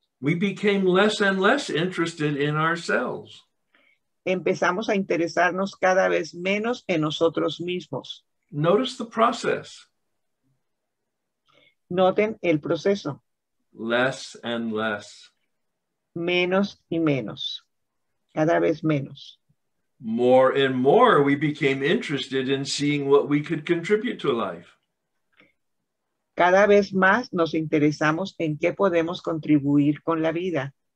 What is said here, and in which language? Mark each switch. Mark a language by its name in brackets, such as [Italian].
[English] we became less and less interested in ourselves. [Spanish] Empezamos a interesarnos cada vez menos en nosotros mismos. [English] Notice the process. [Spanish] Noten el proceso. [English] Less and less. [Spanish] Menos y menos. Cada vez menos. [English] More and more we became interested in seeing what we could contribute to life. [Spanish] Cada vez más nos interesamos en qué podemos contribuir con la vida.